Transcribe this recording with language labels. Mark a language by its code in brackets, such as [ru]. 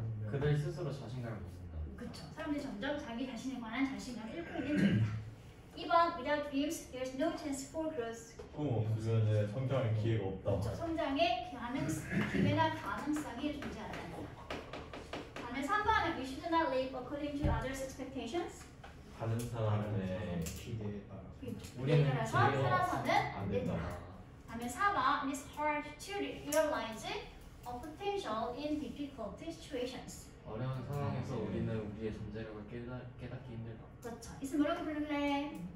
[ko] 그들 스스로 자신감을 못쓴다. 그렇죠. 사람들이 점점 자기 자신에 관한 자신감을 잃고 있는 중이다. [en] 2번, without dreams, there's no chance for growth. [ko] 꿈 없으면 이제 성장의 기회가 없다. 그렇죠. 성장의 기회나 가능성이 존재한다. 다음에 3번은 [en] we should not live according to others' expectations. [ko] 다른 사람의 기대에 따라서 우리는 살아서는 안 된다. 다음에 4번, [en] it's hard to realize a potential in difficult situations. [ko] 어려운 상황에서 우리는 우리의 존재력을 깨닫기 힘들다. 그렇죠. 있으면 뭐라고 부를래?